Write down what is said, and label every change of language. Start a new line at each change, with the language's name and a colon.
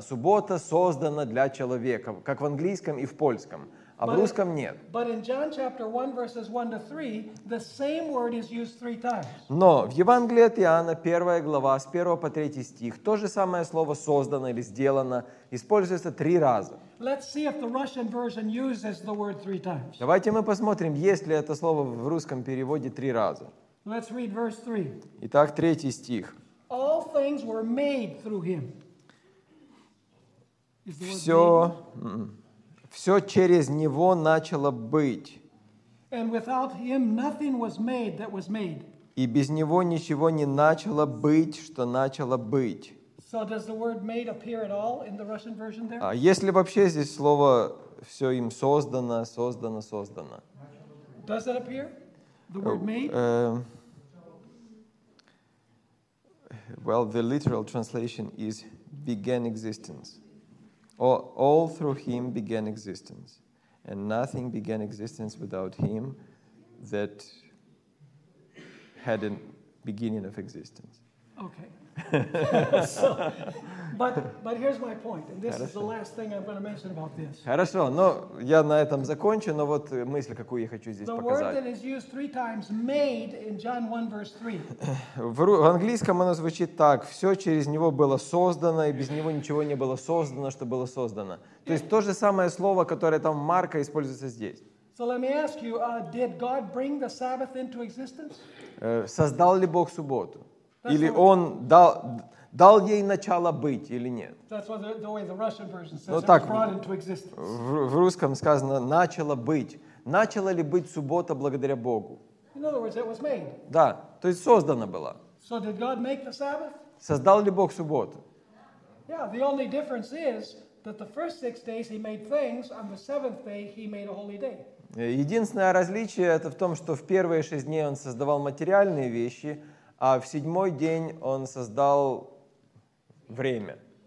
Russian: Суббота создана для человека, как в английском и в польском, а в русском нет.
English: But in John chapter 1 verses 1 to 3, the same word is used three times.
Russian: Но в Евангелии от Иоанна, первая глава, с 1 по 3 стих, то же самое слово создано или сделано используется три раза.
English: Let's see if the Russian version uses the word three times.
Russian: Давайте мы посмотрим, есть ли это слово в русском переводе три раза.
English: Let's read verse 3.
Russian: Итак, третий стих.
English: All things were made through him.
Russian: Все через него начало быть.
English: And without him nothing was made that was made.
Russian: И без него ничего не начало быть, что начало быть.
English: So does the word made appear at all in the Russian version there?
Russian: А есть ли вообще здесь слово «все им создано, создано, создано»?
English: Does it appear? The word made? Well, the literal translation is «began existence». All through him began existence. And nothing began existence without him that had a beginning of existence. Okay. but here's my point, and this is the last thing I'm going to mention about this.
Russian: Хорошо, но я на этом закончу, но вот мысль, какую я хочу здесь показать.
English: The word that is used three times, made, in John 1, verse 3.
Russian: В английском оно звучит так: все через него было создано, и без него ничего не было создано, что было создано. То есть то же самое слово, которое там Марка используется здесь.
English: So let me ask you, did God bring the Sabbath into existence?
Russian: Создал ли Бог субботу? Или он дал ей начало быть, или нет? В русском сказано «начало быть». Начало ли быть суббота благодаря Богу?
English: In other words, it was made.
Russian: Да, то есть создана была.
English: So did God make the Sabbath?
Russian: Создал ли Бог субботу?
English: Yeah, the only difference is that the first six days he made things, on the seventh day he made a holy day.
Russian: Единственное различие это в том, что в первые шесть дней он создавал материальные вещи, а в седьмой день он создал время.